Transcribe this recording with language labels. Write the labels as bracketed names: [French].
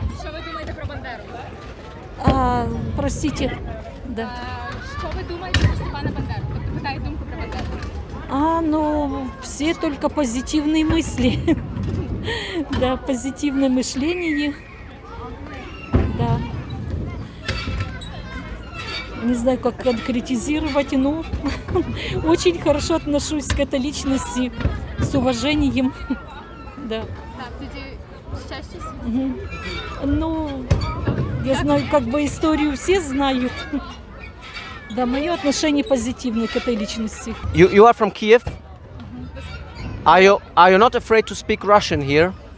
[Ukrainian] Що ви думаєте про Бандеру? Простіть. Да. Що ви думаєте про Степана Бандеру? Тобто питаю думку про Бандеру. Ну, всі тільки позитивні мислі. Да, позитивне мислення їх. [Russian] Да. Не знаю, как конкретизировать, но очень хорошо отношусь к этой личности, с уважением. Да. Ну, я знаю, как бы историю все знают. Да, мое отношение позитивное к этой личности. [English] You are from Kiev? Are you not afraid to speak Russian here?